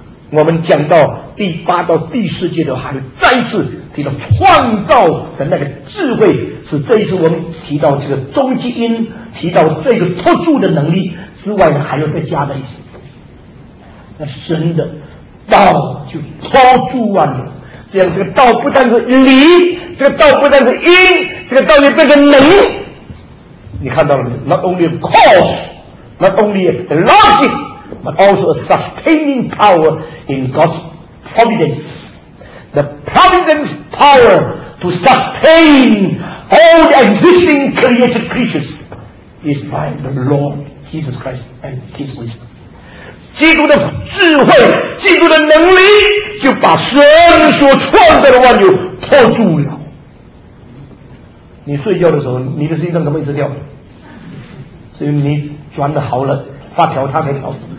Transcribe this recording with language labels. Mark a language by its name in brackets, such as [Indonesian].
[Chinese] 我们讲到第八到第十节的话，还有再一次提到创造的那个智慧，是这一次我们提到这个终极因，提到这个托住的能力之外呢，还要再加在一起。那神的道就托住万有，这样这个道不但是理，这个道不但是因，这个道也变成能。你看到了没有？ [English] Not only a cause, not only a logic. But also a sustaining power in God's providence. The providence power to sustain all the existing created creatures is by the Lord Jesus Christ and His wisdom. [Chinese] 基督的智慧，基督的能力，就把神所创造的万有托住了。你睡觉的时候，你的心脏怎么一直跳？所以你转的好了，发条差没条。